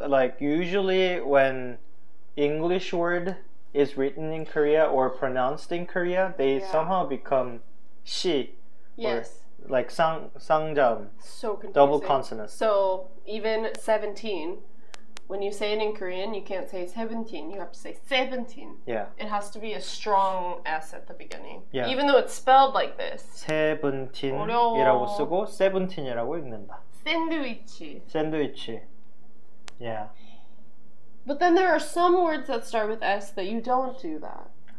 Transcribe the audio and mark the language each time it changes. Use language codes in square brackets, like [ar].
[en] Like, usually when English word is written in Korea or pronounced in Korea, they somehow become shi. Yes. Or like sangjam. So confusing. Double consonant. So even 17, when you say it in Korean, you can't say 17. You have to say 17. Yeah. It has to be a strong S at the beginning. Yeah. Even though it's spelled like this. [ko] 17이라고 쓰고 17이라고 읽는다. [en] Sandwich. Yeah. But then there are some words that start with S that you don't do that.